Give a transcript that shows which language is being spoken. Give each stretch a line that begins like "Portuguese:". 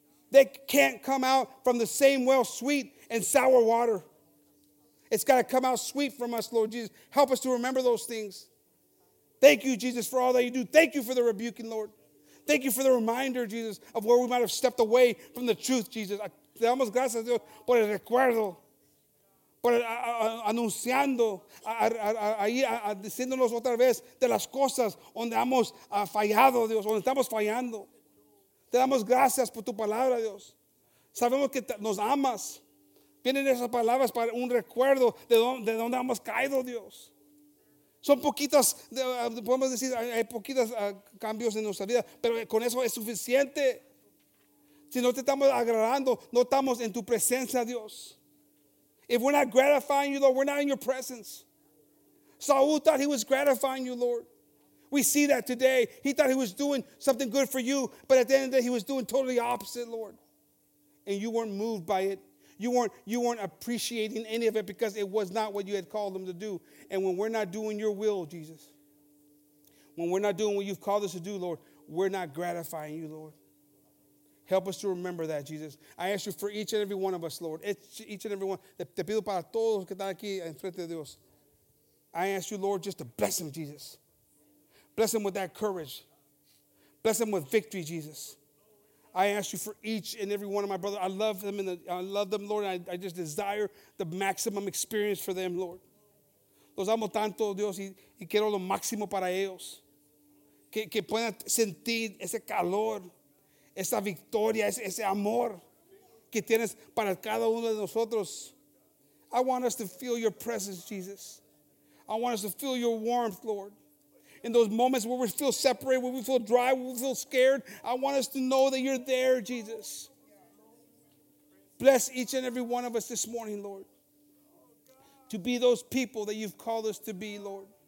English: They can't come out from the same well sweet and sour water. It's got to come out sweet from us, Lord Jesus. Help us to remember those things. Thank you, Jesus, for all that you do. Thank you for the rebuking, Lord. Thank you for the reminder, Jesus, of where we might have stepped away from the truth, Jesus.
Spanish: Te damos gracias, Dios, por el recuerdo. Por anunciando, ahí diciéndonos otra vez de las cosas donde hemos fallado, Dios, donde estamos fallando. Te damos gracias por tu palabra, Dios. Sabemos que nos amas. Vienen esas palabras para un recuerdo de dónde hemos caído, Dios. Son poquitas, podemos decir, hay poquitas cambios en nuestra vida, pero con eso es suficiente. Si no te estamos agradando, no estamos en tu presencia, Dios.
English: If we're not gratifying you, Lord, we're not in your presence. Saul thought he was gratifying you, Lord. We see that today. He thought he was doing something good for you, but at the end of the day, he was doing totally opposite, Lord. And you weren't moved by it. You weren't appreciating any of it because it was not what you had called them to do. And when we're not doing your will, Jesus, when we're not doing what you've called us to do, Lord, we're not gratifying you, Lord. Help us to remember that, Jesus. I ask you for each and every one of us, Lord. Each and every one.
Spanish: Te pido para todos los que están aquí en frente de Dios.
English: I ask you, Lord, just to bless them, Jesus. Bless them with that courage. Bless them with victory, Jesus. I ask you for each and every one of my brothers. I love them, Lord. I just desire the maximum experience for them, Lord.
Spanish: Los amo tanto, Dios, y quiero lo máximo para ellos. Que puedan sentir ese calor, esa victoria, ese amor que tienes para cada uno de nosotros.
English: I want us to feel your presence, Jesus. I want us to feel your warmth, Lord. In those moments where we feel separated, where we feel dry, where we feel scared, I want us to know that you're there, Jesus. Bless each and every one of us this morning, Lord, to be those people that you've called us to be, Lord.